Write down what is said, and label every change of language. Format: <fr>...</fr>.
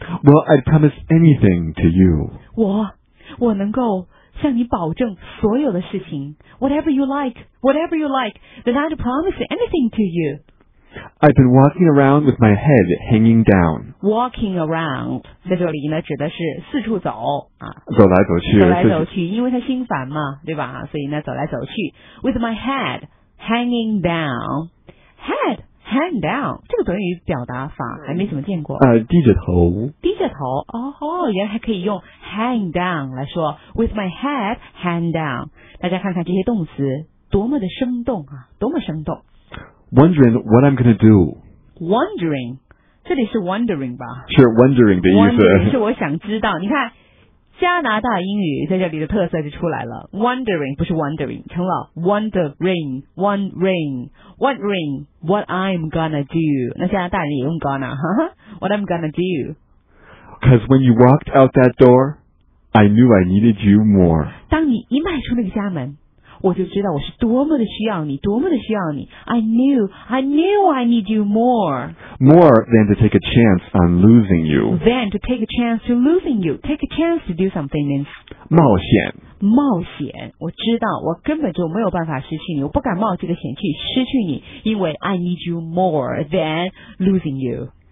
<en>Well, I'd promise anything to you.</en> <zh>我能够向你保证所有的事情</zh> <en>whatever you like, whatever you like, then I'd promise anything to you. I've been walking around with my head hanging down.</en> <zh>Walking around, 在这里呢指的是四处走、走来走去。走来走去，因为他心烦嘛，对吧？所以呢走来走去。</zh> <en>With my head hanging down.</en> <zh>Head, hang down, 这个短语表达法还没怎么见过。低着头。低着头，原来还可以用hang down 来说</zh> <en>with my head hang down。</en> <zh>大家看看这些动词多么的生动啊，多么生动。</zh> <en>Wondering what I'm gonna do。</en> <zh>Wondering， 这里是 wondering 吧？是 wondering 的意思。 Wondering 是我想知道。你看加拿大英语在这里的特色就出来了， wondering 不是 wondering， 成了 wondering， wondering，</zh> <en>wondering what I'm gonna do。</en> <zh>那加拿大人也用 gonna，</zh> <en>what I'm gonna do Because when you walked out that door, I knew I needed you more.</en> <zh>当你一迈出那个家门，我就知道我是多么的需要你，多么的需要你。</zh> <en>I knew I need you more. More than to take a chance on losing you. Than to take a chance to losing you. Take a chance to do something means</en> <zh>冒险。冒险，我知道我根本就没有办法失去你，我不敢冒这个险去失去你，因为</zh> <en>I need you more than losing you.</en>